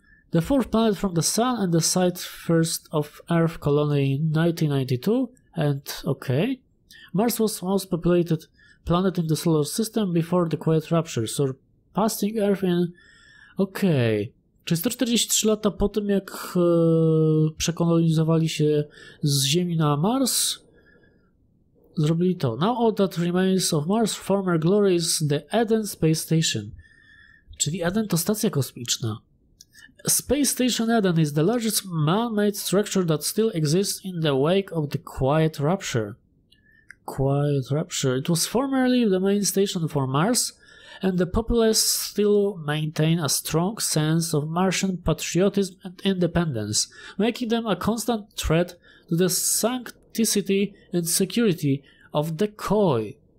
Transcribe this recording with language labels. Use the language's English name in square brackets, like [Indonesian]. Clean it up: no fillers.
[English] The fourth planet from the Sun and the site first of Earth colony in 1992, and okay. Mars was the most populated planet in the solar system before the Quiet Rupture, surpassing Earth in... Okay. [Polish] Czyli 143 lata po tym, jak przekolonizowali się z Ziemi na Mars, zrobili to. [English] Now all that remains of Mars' former glory is the Eden Space Station. [Polish] Czyli Eden to stacja kosmiczna. [English] Space Station Eden is the largest man-made structure that still exists in the wake of the Quiet Rupture. Quiet Rupture. It was formerly the main station for Mars, and the populace still maintain a strong sense of Martian patriotism and independence, making them a constant threat to the sanctity and security of the Koi.